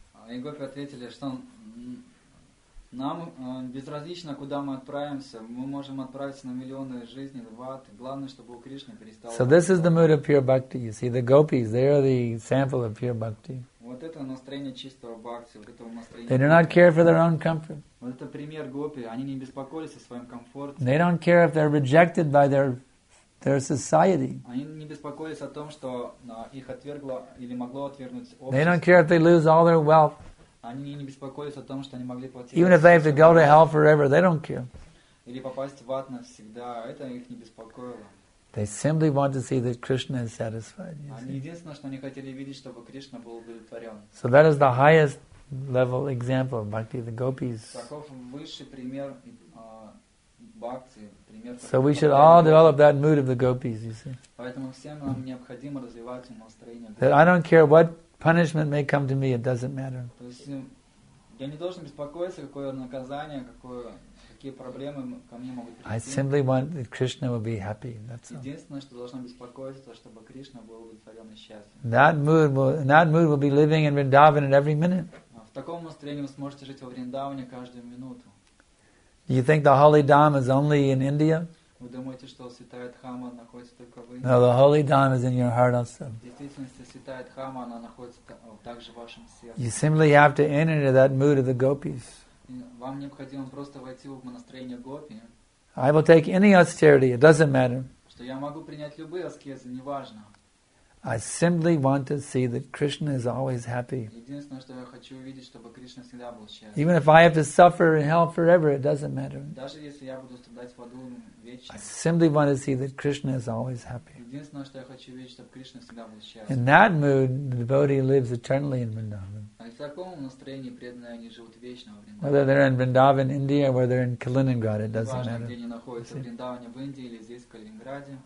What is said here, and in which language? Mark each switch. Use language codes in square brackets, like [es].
[ru] И гопи ответили, что нам безразлично, куда мы отправимся, мы можем отправиться на миллионы жизней в ад. Главное, чтобы у Кришны перестало. [en] So this is the mood of pure bhakti. You see, the gopis, they are the sample of pure bhakti. [ru] Вот это настроение чистого бхакти, вот это настроение. [en] They do not care for their own comfort. [ru] Вот это пример гопи, они не беспокоились о своем комфорте. [en] They don't care if they're rejected by their society. [ru] Они не беспокоились о том, что их отвергло или могло отвергнуть общество. [en] They don't care if they lose all their wealth. [ru] Они не беспокоились о том, что они могли потерять. [en] Even if they have to go to hell forever, they don't care. [ru] Или попасть в ад навсегда, это их не беспокоило. [en] They simply want to see that Krishna is satisfied. [ru] Они единственное, что они хотели видеть, чтобы Кришна был удовлетворен. [en] So that is the highest level example of bhakti, the gopis. [ru] Таков высший пример Bhakti, пример, [en] so we should all develop that mood of the gopis, you see. [ru] Поэтому всем нам необходимо развивать настроение. [en] That I don't care what punishment may come to me, it doesn't matter. То есть я не должен беспокоиться, какое наказание, какие проблемы ко мне могут прийти. I simply want that Krishna will be happy. That's all. [ru] Единственное, что должно беспокоиться, чтобы Кришна был удовлетворен и счастлив. [en] That mood will be living in Vrindavan at every minute. [ru] В таком настроении вы сможете жить во Вриндаване каждую минуту. [en] You think the holy dham is only in India? [ru] Вы думаете, что святая дхама находится только в [en] Индии? No, the holy dham is in your heart also. [ru] Действительно, святая дхама она находится также в вашем сердце. [en] You simply have to enter into that mood of the gopis. [ru] Вам необходимо просто войти в настроение гопи. [en] I will take any austerity; it doesn't matter. [ru] Что я могу принять любые аскезы, неважно. [en] I simply want to see that Krishna is always happy. [ru] Единственное, что я хочу увидеть, чтобы Кришна всегда был счастлив. [en] Even if I have to suffer in hell forever, it doesn't matter. [ru] Даже если я буду страдать в аду вечно. [en] I simply want to see that Krishna is always happy. [ru] Единственное, что я хочу увидеть, чтобы Кришна всегда был счастлив. [en] In that mood, the devotee lives eternally in Vrindavan. [ru] А в таком настроении преданные они живут вечно в Вриндаване. [en] Whether they're in Vrindavan, India, or they're in Kaliningrad, it doesn't matter. [ru] Где они находятся, в Вриндаване, в Индии или здесь, в Калининграде.